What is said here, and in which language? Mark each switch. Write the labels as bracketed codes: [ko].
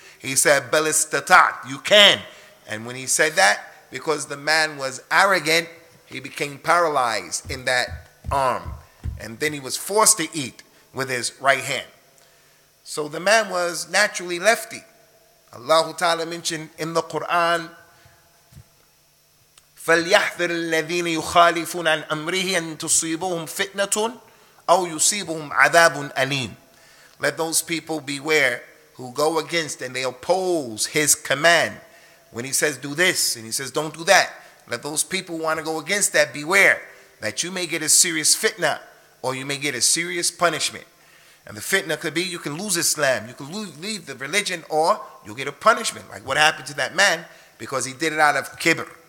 [en] He said, [ar] bal istata'at, [en] you can. And when he said that, because the man was arrogant, he became paralyzed in that arm. And then he was forced to eat with his right hand. So the man was naturally lefty. Allah Ta'ala mentioned in the Quran, [ar] فَلْيَحْذِرِ الَّذِينَ يُخَالِفُونَ عَنْ أَمْرِهِ أَنْ تُصِيبُهُمْ فِتْنَةٌ أَوْ يُصِيبُهُمْ عَذَابٌ أَلِيمٌ. [en] Let those people beware who go against and they oppose his command. When he says do this and he says don't do that, let those people who want to go against that beware that you may get a serious fitna, or you may get a serious punishment. And the fitna could be you can lose Islam, you can leave the religion, or you'll get a punishment, like what happened to that man, because he did it out of kibr.